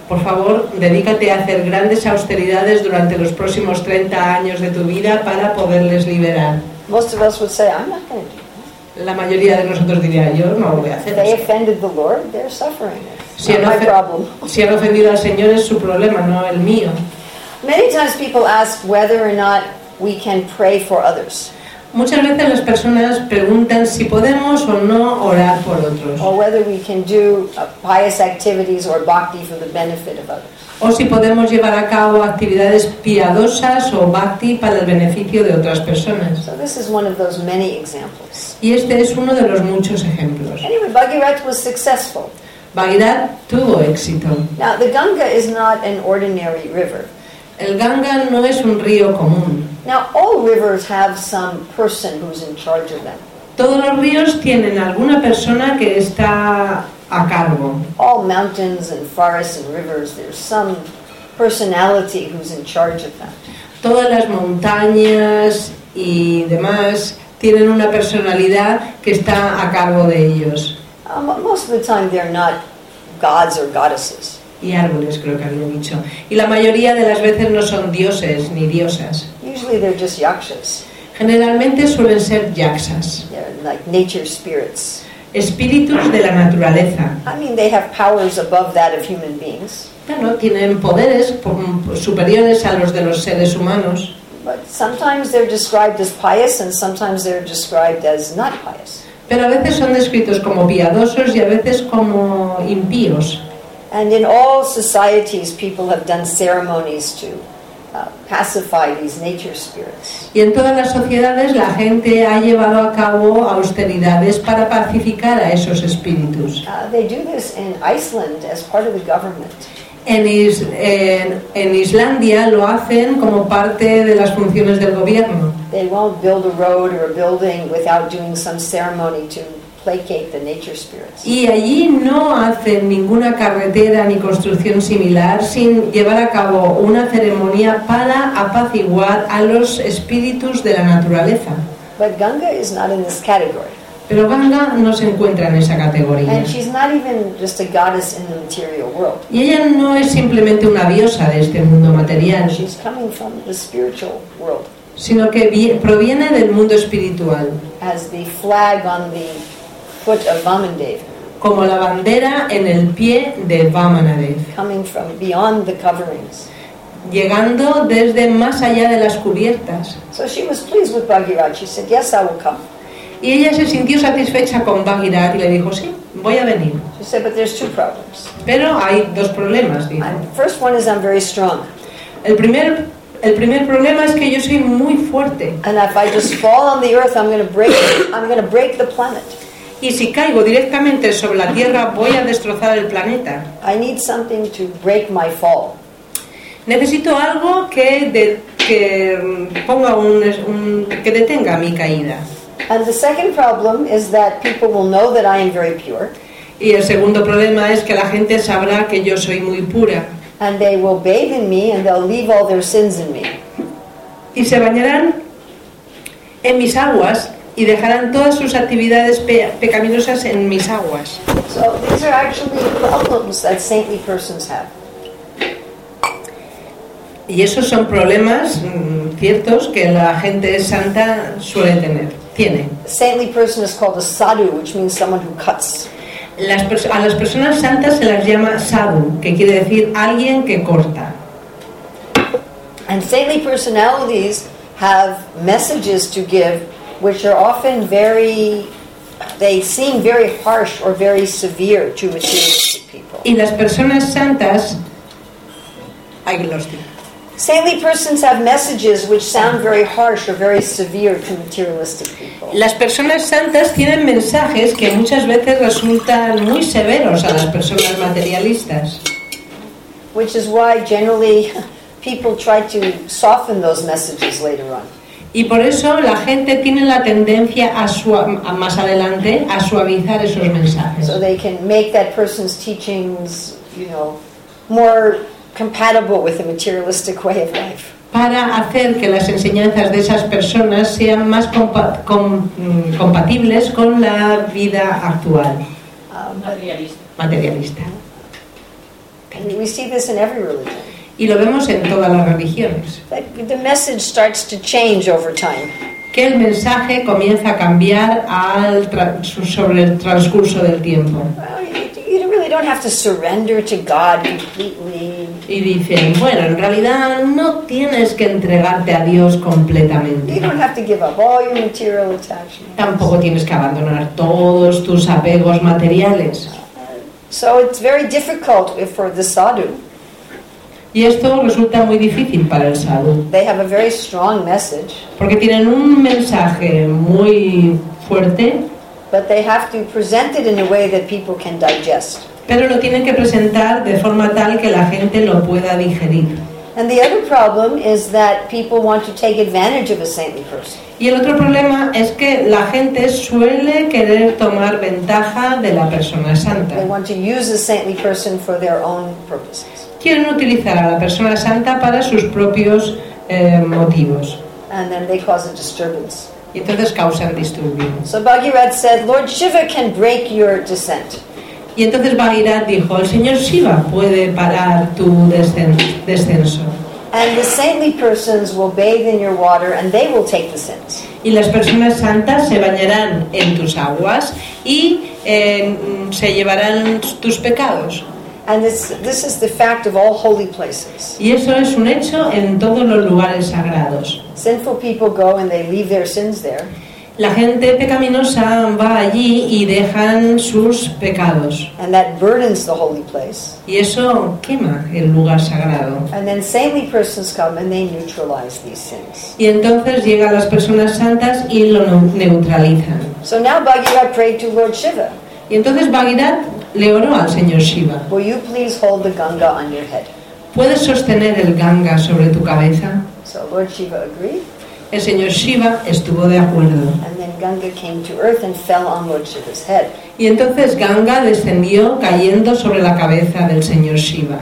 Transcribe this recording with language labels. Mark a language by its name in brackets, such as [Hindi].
[Spanish] Por favor, dedícate a hacer grandes austeridades durante los próximos 30 años de tu vida para poderles liberar. [English] Most of us would say, I'm not going to do that. [Spanish] La mayoría de nosotros diría, yo no lo voy a hacer. [English] They offended the Lord, they're suffering. [Spanish] Si han ofendido al Señor es su problema, no el mío. [English] Many times people ask whether or not we can pray for others. [Spanish] Muchas veces las personas preguntan si podemos o no orar por otros. [English] Or whether we can do pious activities or bhakti for the benefit of others. [Spanish] O si podemos llevar a cabo actividades piadosas o bhakti para el beneficio de otras personas. [English] So this is one of those many examples. [Spanish] Y este es uno de los muchos ejemplos. [English] Anyway, Bhagirath was successful. [Spanish] Bhagirath tuvo éxito. [English] Now the Ganga is not an ordinary river. [Spanish] El Ganga no es un río común. [English] Now, all rivers have some person who's in charge of them. [Spanish] Todos los ríos tienen alguna persona que está a cargo. [English] All mountains and forests and rivers, there's some personality who's in charge of them. [Spanish] Todas las montañas y demás tienen una personalidad que está a cargo de ellos. [English] Most of the time they're not gods or goddesses. [Spanish] Y árboles, creo que había dicho. Y la mayoría de las veces no son dioses ni diosas. [English] Usually they're just yakshas. [Spanish] Generalmente suelen ser yakshas. [English] They're like nature spirits. [Spanish] Espíritus de la naturaleza. [English] I mean, they have powers above that of human beings. [Spanish] Bueno, tienen poderes superiores a los de los seres humanos. [English] But sometimes they're described as pious and sometimes they're described as not pious. [Spanish] Pero a veces son descritos como piadosos y a veces como impíos. [English] And in all societies, people have done ceremonies to pacify these nature spirits. [Spanish] Y en todas las sociedades, la gente ha llevado a cabo austeridades para pacificar a esos espíritus. [English] They do this in Iceland as part of the government. [Spanish] En Islandia lo hacen como parte de las funciones del gobierno. [English] They won't build a road or a building without doing some ceremony to placate the nature spirits. [Spanish] Y allí no hacen ninguna carretera ni construcción similar sin llevar a cabo una ceremonia para apaciguar a los espíritus de la naturaleza. [English] But Ganga is not in this category. [Spanish] Pero Ganga no se encuentra en esa categoría. [English] And she's not even just a goddess in the material world. [Spanish] Y ella no es simplemente una diosa de este mundo material. [English] She's coming from the spiritual world. [Spanish] Sino que proviene del mundo espiritual. [English] As the flag on the foot of Vamandev. [Spanish] Como la bandera en el pie de Vamanadev. [English] Coming from beyond the coverings. [Spanish] Llegando desde más allá de las cubiertas. [English] So she was pleased with Bhagirath. She said, "Yes, I will come." [Spanish] Y ella se sintió satisfecha con Bhagirath y le dijo, "Sí, voy a venir." [English] She said, "But there's 2 problems." [Spanish] Pero hay 2 problemas, dijo. [English] First one is I'm very strong. [Spanish] El primer problema es que yo soy muy fuerte. [English] And if I just fall on the earth, I'm going to break the planet. [Spanish] Y si caigo directamente sobre la Tierra, voy a destrozar el planeta. [English] I need something to break my fall. [Spanish] Necesito algo que detenga mi caída. [English] And the second problem is that people will know that I am very pure. [Spanish] Y el segundo problema es que la gente sabrá que yo soy muy pura. [English] And they will bathe in me and they'll leave all their sins in me. [Spanish] Y se bañarán en mis aguas. Y dejarán todas sus actividades pecaminosas en mis aguas. [English] So these are actually problems that saintly persons have. [Spanish] Y esos son problemas ciertos que la gente santa suele tener. Tiene. [English] A saintly person is called a sadhu, which means someone who cuts. [Spanish] A las personas santas se las llama sadhu, que quiere decir alguien que corta. [English] And saintly personalities have messages to give, which are often very, they seem very harsh or very severe to materialistic people. [Spanish] Y las personas santas, [English] saintly persons have messages which sound very harsh or very severe to materialistic people. [Spanish] Las personas santas tienen mensajes que muchas veces resultan muy severos a las personas materialistas. [English] Which is why generally people try to soften those messages later on. [Spanish] Y por eso la gente tiene la tendencia a más adelante a suavizar esos mensajes. [English] So they can make that person's teachings, you know, more compatible with a materialistic way of life. [Spanish] Para hacer que las enseñanzas de esas personas sean más compatibles con la vida actual. Materialista. [English] And we see this in every religion. [Spanish] Y lo vemos en todas las religiones. [English] The message starts to change over time. [Spanish] Que el mensaje comienza a cambiar sobre el transcurso del tiempo. [English] Well, you really don't have to surrender to God completely. [Spanish] Y dicen, bueno, en realidad no tienes que entregarte a Dios completamente. [English] You don't have to give up all your material attachments. [Spanish] Tampoco tienes que abandonar todos tus apegos materiales. [English] So it's very difficult for the sadhu. [Spanish] Y esto resulta muy difícil para el sadhu. [English] They have a very strong message. [Spanish] Porque tienen un mensaje muy fuerte. [English] But they have to present it in a way that people can digest. [Spanish] Pero lo tienen que presentar de forma tal que la gente lo pueda digerir. [English] And the other problem is that people want to take advantage of a saintly person. [Spanish] Y el otro problema es que la gente suele querer tomar ventaja de la persona santa. [English] They want to use a saintly person for their own purposes. [Spanish] Quieren utilizar a la persona santa para sus propios motivos. [English] And then they cause a disturbance. [Spanish] Y entonces causan disturbios. [English] So Bhagirath said, Lord Shiva can break your descent. [Spanish] Y entonces Bhagirath dijo, el señor Shiva puede parar tu descenso. [English] And the saintly persons will bathe in your water and they will take the sins. [Spanish] Y las personas santas se bañarán en tus aguas y se llevarán tus pecados. [English] And this is the fact of all holy places. [Spanish] Y eso es un hecho en todos los lugares sagrados. [English] Sinful people go and they leave their sins there. [Spanish] La gente pecaminosa va allí y dejan sus pecados. [English] And that burdens the holy place. [Spanish] Y eso quema el lugar sagrado. [English] And then saintly persons come and they neutralize these sins. [Spanish] Y entonces llegan las personas santas y lo neutralizan. [English] So now Bhagirath prayed to Lord Shiva. [Spanish] Y entonces Bhagirath le oró al señor Shiva. [English] Will you please hold the Ganga on your head? [Spanish] ¿Puedes sostener el Ganga sobre tu cabeza? [English] So Lord Shiva agreed. [Spanish] El señor Shiva estuvo de acuerdo. [English] And then Ganga came to earth and fell on Lord Shiva's head. [Spanish] Y entonces Ganga descendió cayendo sobre la cabeza del señor Shiva.